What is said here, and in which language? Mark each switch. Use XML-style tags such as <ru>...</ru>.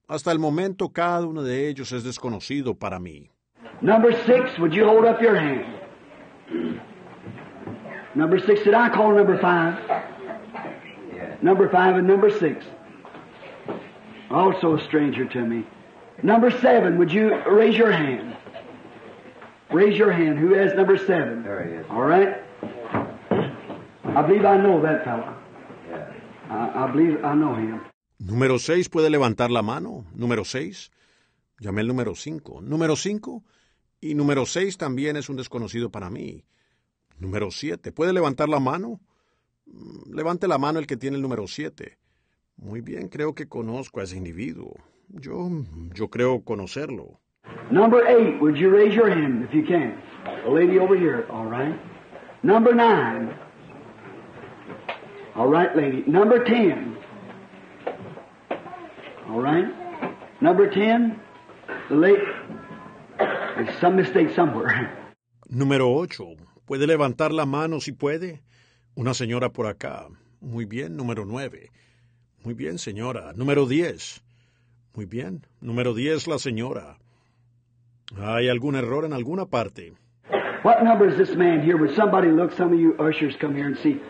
<es>Hasta el momento, cada uno de ellos es desconocido para mí.</es> <en>Number six, would you hold up your hand? Number six, did I call number five? Number five and number six. Also a stranger to me. Number seven, would you raise your hand? Raise your hand. Who has number seven? There he is. All right. I believe I know that fellow. I believe I know him.</en> <es>Número seis, ¿puede levantar la mano? Número seis. Llamé el número cinco. Número cinco. Y número seis también es un desconocido para mí. Número siete. ¿Puede levantar la mano? Levante la mano el que tiene el número siete. Muy bien, creo que conozco a ese individuo. Yo creo conocerlo.</es> <en>Number eight. Would you raise your hand if you can? The lady over here. All right. Number nine. All right, lady. Number ten. All right. Number ten. The lady. There's some mistake somewhere.</en> <es>Número ocho. ¿Puede levantar la mano si puede? Una señora por acá. Muy bien, número nueve. Muy bien, señora. Número diez. Muy bien, número diez, la señora. ¿Hay algún error en alguna parte?</es> <en>What number is this man here? Would somebody look? Some of you ushers come here and see.</en>